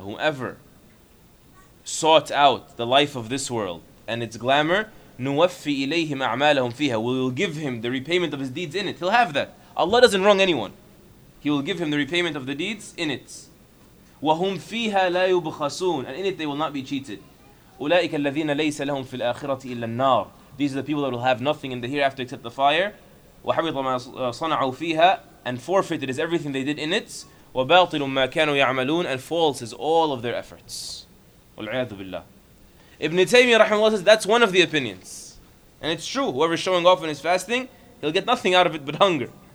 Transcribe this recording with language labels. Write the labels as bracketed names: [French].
[English] Whomever sought out the life of this world and its glamour, [Arabic] نُوَفِّ إِلَيْهِمْ أَعْمَالَهُمْ فِيهَا. [English] We will give him the repayment of his deeds in it. He'll have that. Allah doesn't wrong anyone. He will give him the repayment of the deeds in it. [Arabic] وَهُمْ فِيهَا لَا يُبْخَسُونَ. [English] And in it they will not be cheated. [Arabic] أولئك الذين ليس لهم في الآخرة إلا النار. [English] These are the people that will have nothing in the hereafter except the fire. [Arabic] وحبط ما صنعوا فيها. [English] And forfeited is everything they did in it. [Arabic] وباطل ما كانوا يعملون. [English] And false is all of their efforts. [Arabic] والعياذ بالله. [English] Ibn Taymiyyah rahimahullah says that's one of the opinions. And it's true, whoever is showing off and is fasting, he'll get nothing out of it but hunger.